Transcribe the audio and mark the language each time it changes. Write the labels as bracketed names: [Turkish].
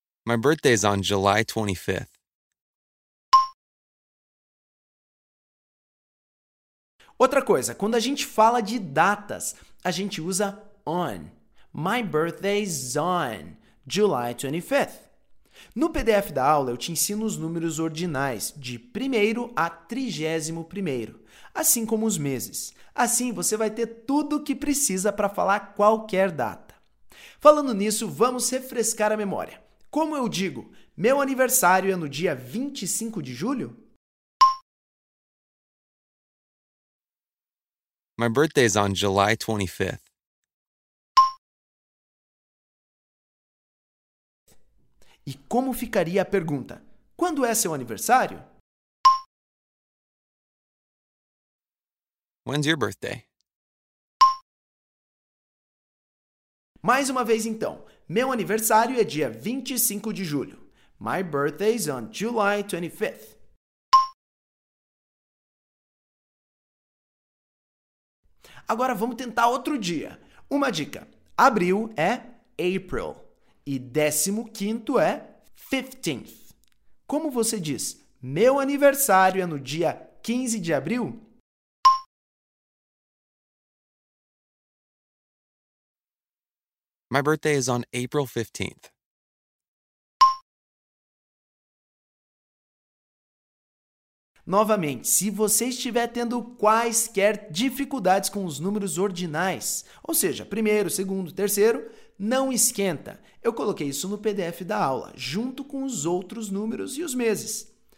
[English] My birthday is on July 25th. [Portuguese] Outra coisa, quando a gente fala de datas, a gente usa on. [English] My birthday is on July 25th. [Portuguese] No PDF da aula, eu te ensino os números ordinais, de 1º a 31º, assim como os meses. Assim, você vai ter tudo o que precisa para falar qualquer data. Falando nisso, vamos refrescar a memória. Como eu digo, meu aniversário é no dia 25 de julho? [English] My birthday is on July 25th. [Portuguese] E como ficaria a pergunta? Quando é seu aniversário? [English] When's your birthday? [Portuguese] Mais uma vez então. Meu aniversário é dia 25 de julho. [English] My birthday is on July 25th. [Portuguese] Agora vamos tentar outro dia. Uma dica. Abril é April. E 15º é 15th. Como você diz, meu aniversário é no dia 15 de abril? [English] My birthday is on April 15th. [Portuguese] Novamente, se você estiver tendo quaisquer dificuldades com os números ordinais, ou seja, primeiro, segundo, terceiro, Não esquenta. Eu coloquei isso no PDF da aula, junto com os outros números e os meses.